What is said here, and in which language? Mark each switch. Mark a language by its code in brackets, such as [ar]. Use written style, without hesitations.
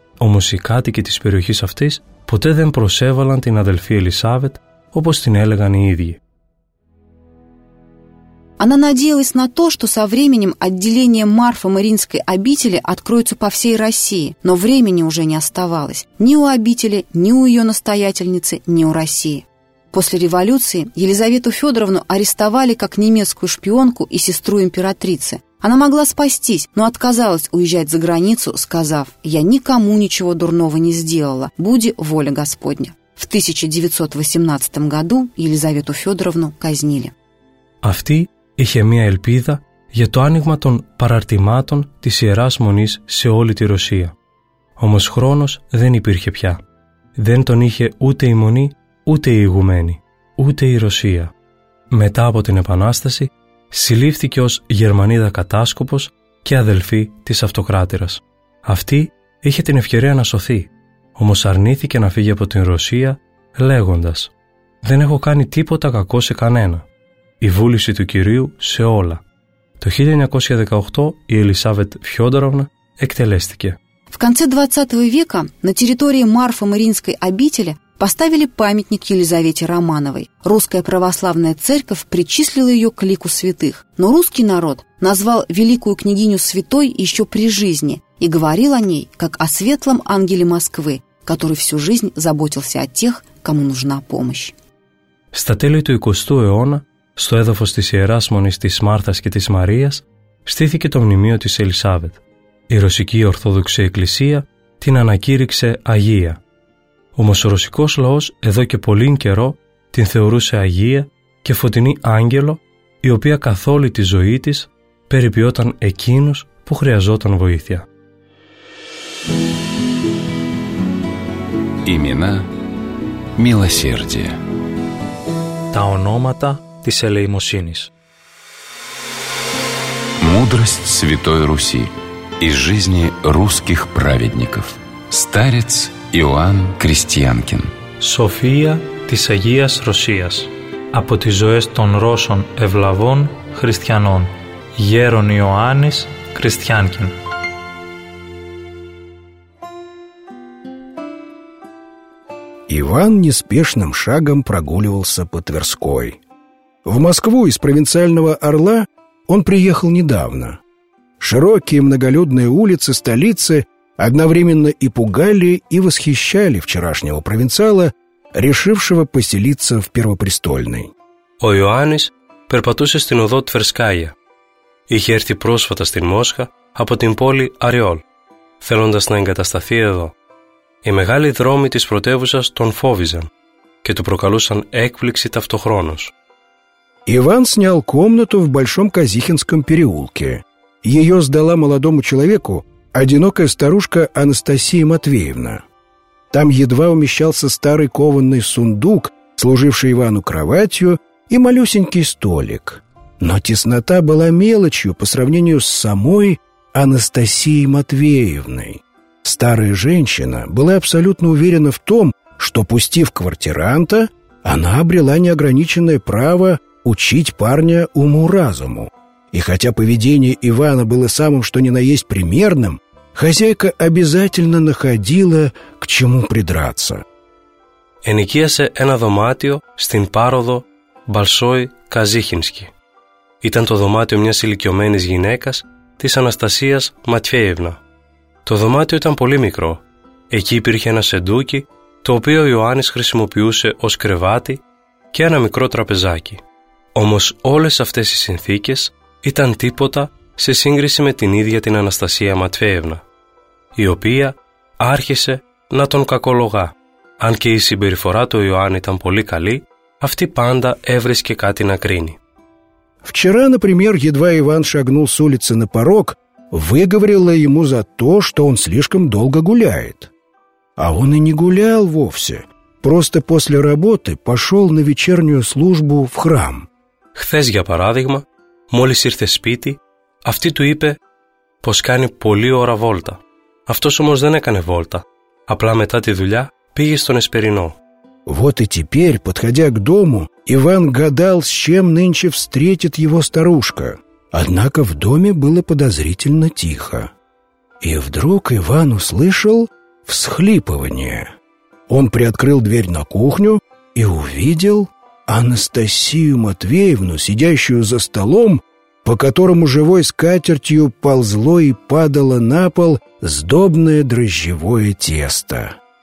[el] Όμως οι κάτοικοι της περιοχής αυτής ποτέ δεν προσέβαλαν την αδελφή Ελισάβετ, όπως την έλεγαν οι ίδιοι. [ru] Она надеялась на то, что со временем отделение Марфо-Мариинской обители откроется по всей России, но времени уже не оставалось ни у обители, ни у ее настоятельницы, ни у России. После революции Елизавету Федоровну арестовали как немецкую шпионку и сестру императрицы. Она могла спастись, но отказалась уезжать за границу, сказав: «Я никому ничего дурного не сделала, буди воля Господня». В 1918 году Елизавету Федоровну казнили. [el] Αυτή είχε μία ελπίδα για το άνοιγμα των παραρτημάτων της Ιεράς Μονής σε όλη τη Ρωσία. Όμως χρόνος δεν υπήρχε πια. Δεν τον είχε ούτε η Μονή, ούτε η Ηγουμένη, ούτε η Ρωσία. Μετά από την Επανάσταση, συλλήφθηκε ως Γερμανίδα κατάσκοπος και αδελφή της Αυτοκράτηρας. Αυτή είχε την ευκαιρία να σωθεί, όμως αρνήθηκε να φύγει από την Ρωσία, λέγοντας: «Δεν έχω κάνει τίποτα κακό σε κανένα. Η βούληση του Κυρίου σε όλα». Το 1918 η Ελισάβετ Φιόντοροβνα εκτελέστηκε. [ru] В конце 20 века на территории Марфо-Мариинской обители поставили памятник Елизавете Романовой. Русская православная церковь причислила ее к лику святых. Но русский народ назвал великую княгиню святой еще при жизни и говорил о ней как о светлом ангеле Москвы, который всю жизнь заботился о тех, кому нужна помощь. [el] Στα τέλη του 20ου αιώνα, στο έδαφος της Ιεράς Μονής της Μάρθας και της Μαρίας, στήθηκε το μνημείο της Ελισάβετ. Η Ρωσική Ορθόδοξη Εκκλησία την ανακήρυξε Αγία. Όμως ο ρωσικός λαός εδώ και πολύ καιρό την θεωρούσε Αγία και φωτεινή άγγελο, η οποία καθ' όλη τη ζωή της περιποιόταν εκείνους που χρειαζόταν βοήθεια. [ru] Имена, милосердие. [el] Τα ονόματα της ελεημοσύνης. [ru] Мудрость Святой Руси. Из жизни русских праведников. Старец Иоанн Крестьянкин. [el] Σοφία της Αγίας Ρωσίας. Από τις ζωές των Ρώσων ευλαβών χριστιανών. Γέρον Ιωάννης Κριστιάνκιν. [ru] Иван неспешным шагом прогуливался по Тверской. В Москву из провинциального Орла он приехал недавно. Широкие многолюдные улицы столицы одновременно и пугали, и восхищали вчерашнего провинциала, решившего поселиться в Первопрестольной. [el] Ο Ιωάννης περπατούσε στην οδό Τβερσκάια. Είχε έρθει πρόσφατα στην Μόσχα από την πόλη Αριόλ, θέλοντας να εγκατασταθεί εδώ. Οι μεγάλοι δρόμοι της πρωτεύουσας τον φόβιζαν και του προκαλούσαν έκπληξη ταυτοχρόνως. [ru] Иван снял комнату в Большом Казихинском переулке. Ее сдала молодому человеку одинокая старушка Анастасия Матвеевна. Там едва умещался старый кованный сундук, служивший Ивану кроватью, и малюсенький столик. Но теснота была мелочью по сравнению с самой Анастасией Матвеевной. Старая женщина была абсолютно уверена в том, что, пустив квартиранта, она обрела неограниченное право учить парня уму-разуму. И хотя поведение Ивана было самым что ни на есть примерным, хозяйка обязательно находила к чему придраться. [el] Ενοικίασε ένα δωμάτιο στην πάροδο Большой Казихинский. Ήταν το δωμάτιο μιας ηλικιωμένης γυναίκας της Αναστασίας Ματφέευνα. Το δωμάτιο ήταν πολύ μικρό. Εκεί υπήρχε ένα σεντούκι, το οποίο ο Ιωάννης χρησιμοποιούσε ως κρεβάτι και ένα μικρό τραπεζάκι. Όμως όλες αυτές οι συνθήκες ήταν τίποτα σε σύγκριση με την ίδια την Αναστασία Ματφέευνα, η οποία άρχισε να τον κακολογά. Αν και η συμπεριφορά του Ιωάννη ήταν πολύ καλή, αυτή πάντα έβρισκε κάτι να κρίνει. [ru] Вчера, например, едва Иван шагнул с улицы на порог, выговорила ему за то, что он слишком долго гуляет. А он и не гулял вовсе, просто после работы пошел на вечернюю службу в храм. [el] Хθες, για παράδειγμα, μόλις ήρθε σπίτι, αυτή του είπε πως κάνει πολλή ώρα βόλτα. Αυτός όμως δεν έκανε βόλτα, απλά μετά τη δουλειά πήγε στον Εσπερινό. [ru] Вот и теперь, подходя к дому, Иван гадал, с чем нынче встретит его старушка. Однако в доме было подозрительно тихо. И вдруг Иван услышал всхлипывание. Он приоткрыл дверь на кухню и увидел Анастасию Матвеевну, сидящую за столом, по которому живой скатертью ползло и падало на пол сдобное дрожжевое тесто.